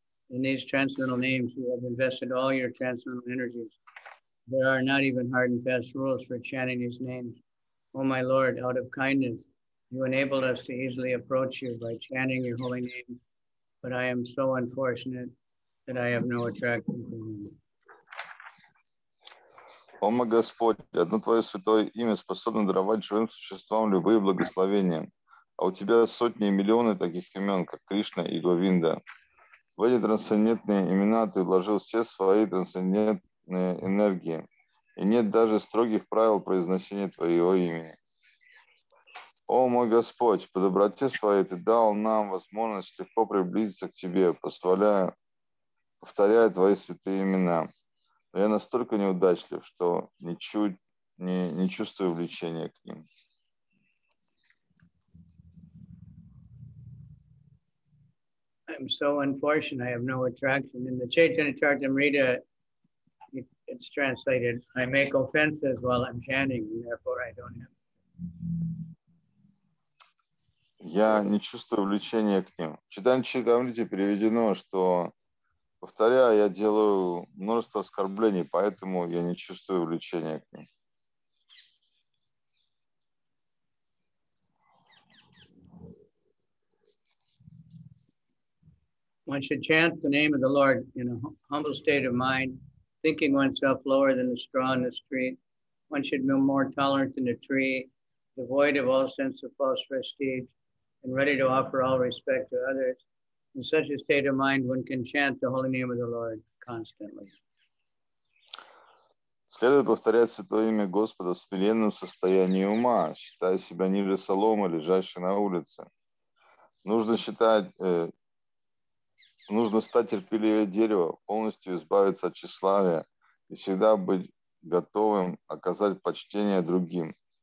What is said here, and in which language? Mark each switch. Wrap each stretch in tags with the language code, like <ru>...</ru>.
<en>In these transcendental names, you have invested all your transcendental energies. There are not even hard and fast rules for chanting his name. O my Lord, out of kindness, you enabled us to easily approach you by chanting your holy name. But I am so unfortunate that I have no attraction for you.</en> <ru>О мой Господь, одно Твое святое имя способно даровать живым существам любые благословения, а у Тебя сотни и миллионы таких имен, как Кришна и Говинда. В эти трансцендентные имена Ты вложил все свои трансцендентные энергии, и нет даже строгих правил произношения Твоего имени. О мой Господь, по доброте Своей Ты дал нам возможность легко приблизиться к Тебе, позволяя, повторяя Твои святые имена. Но я настолько неудачлив, что ничуть не чувствую влечения к ним.</ru> <en>I'm so unfortunate, I have no attraction. In the Chaitanya Charitamrita, it's translated, I make offenses while I'm chanting, therefore I don't have.</en> <ru>Я не чувствую влечения к ним. Читание Чайтанамриты переведено, что повторяю, я делаю множество оскорблений, поэтому я не чувствую влечения к ним.</ru> <en>One should chant the name of the Lord in a humble state of mind, thinking oneself lower than the straw in the street. One should be more tolerant than the tree, devoid of all sense of false prestige, and ready to offer all respect to others. In such a state of mind, one can chant the holy name of the Lord constantly.</en> <ru>Следует повторять святое имя Господа в смиренном состоянии ума, считая себя ниже соломы, лежащей на улице. Нужно считать, нужно стать терпеливее дерева, полностью избавиться от тщеславия и всегда быть готовым оказать почтение другим.</ru>